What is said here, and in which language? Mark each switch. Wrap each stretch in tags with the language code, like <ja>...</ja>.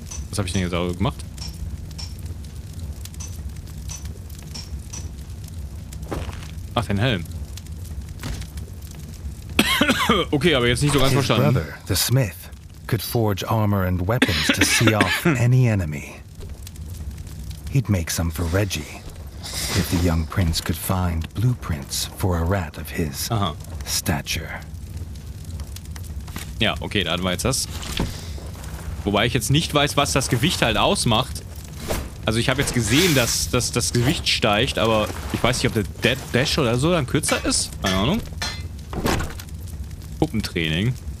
<de>Was habe ich denn jetzt auch gemacht? Ach, den Helm. Okay, aber jetzt nicht so ganz verstanden.</de> <en>His brother, the smith, could forge armor and weapons to see off any enemy. He'd make some for Reggie, if the young prince could find blueprints for a rat of his stature.</en> <de>Ja, okay, dann war jetzt das. Wobei ich jetzt nicht weiß, was das Gewicht halt ausmacht. Also ich habe jetzt gesehen, dass das Gewicht steigt, aber ich weiß nicht, ob der Dash oder so dann kürzer ist. Keine Ahnung. Puppentraining.</de>